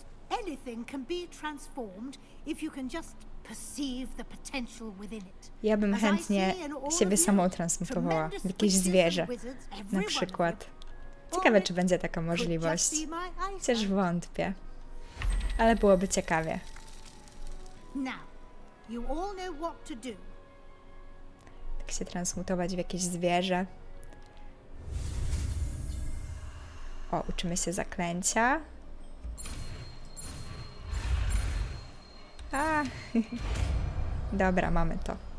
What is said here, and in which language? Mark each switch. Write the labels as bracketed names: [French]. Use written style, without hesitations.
[English] Anything can be transformed if you can just perceive the potential within it. [Polish] Ja bym chętnie siebie samą transmutowała w jakieś zwierzę, na przykład. Ciekawe, czy będzie taka możliwość. Chociaż wątpię. Ale byłoby ciekawie. [English] Now, you all know what to do. [Polish] Tak się transmutować w jakieś zwierzę. O, uczymy się zaklęcia. A, dobra, mamy to.